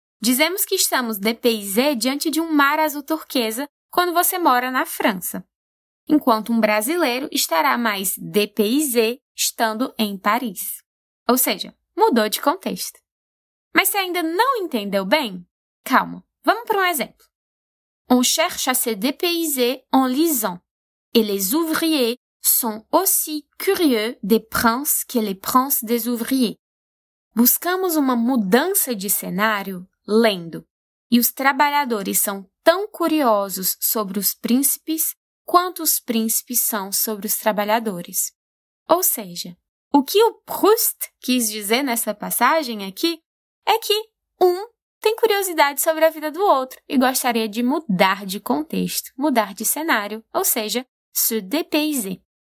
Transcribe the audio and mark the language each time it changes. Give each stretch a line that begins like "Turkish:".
Portuguese: Dizemos que estamos dépaysé diante de um mar azul turquesa quando você mora na França, enquanto um brasileiro estará mais dépaysé estando em Paris. Ou seja, mudou de contexto. Mas se ainda não entendeu bem, calma, vamos para um exemplo.
French: On cherche à se dépayser en lisant. Et les ouvriers sont aussi curieux des princes que les princes des ouvriers.
Portuguese: Buscamos uma mudança de cenário lendo. E os trabalhadores são tão curiosos sobre os príncipes quanto os príncipes são sobre os trabalhadores. Ou seja, o que o Proust quis dizer nessa passagem aqui é que um tem curiosidade sobre a vida do outro e gostaria de mudar de contexto, mudar de cenário, ou seja, se dépayser.